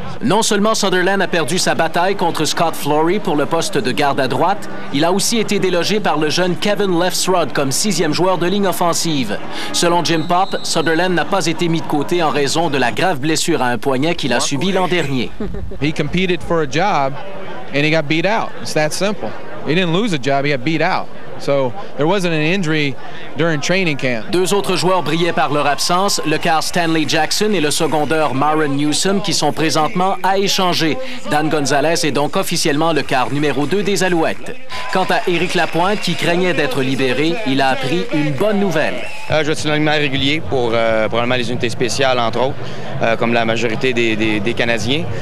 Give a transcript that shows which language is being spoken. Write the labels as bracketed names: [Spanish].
[French] Non seulement Sutherland a perdu sa bataille contre Scott Flory pour le poste de garde à droite, il a aussi été délogé par le jeune Kevin Lefsrud comme sixième joueur de ligne offensive. Selon Jim Popp, Sutherland n'a pas été mis de côté en raison de la grave blessure à un poignet qu'il a subi l'an dernier. [English] He competed for a job and he got beat out. It's that simple. He didn't lose a job, he got beat out. So, there wasn't an injury during training camp. [French] Deux autres joueurs brillaient par leur absence, le quart Stanley Jackson et le secondeur Maren Newsom, qui sont présentement à échanger. Dan Gonzalez est donc officiellement le quart numéro 2 des Alouettes. Quant à Éric Lapointe, qui craignait d'être libéré, il a appris une bonne nouvelle. Je vais être sur l'alignement régulier pour probablement les unités spéciales, entre autres, comme la majorité des Canadiens.